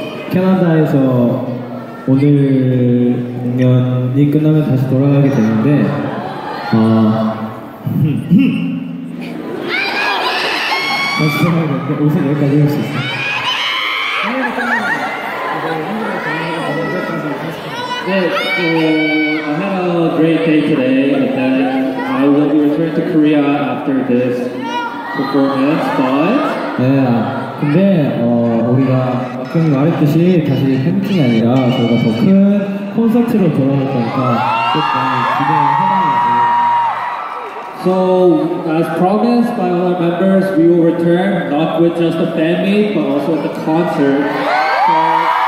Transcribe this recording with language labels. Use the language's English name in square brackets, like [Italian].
[Korean] 캐나다에서 오늘 공연이 끝나면 다시 돌아가게 되는데 다시 돌아가게 되는데 옷을 여기까지 입을 수 있어요. [English] 네, I had a great day today, but then I will be returning to Korea after this performance, but... [Korean] 네, 근데 우리가 아까 말했듯이 다시 팬미팅이 아니라 저희가 더 큰 콘서트로 돌아올 거니까 조금 기대를 해봐야죠. [English] So, as promised by all our members, we will return not with just a fan meet, but also at the concert.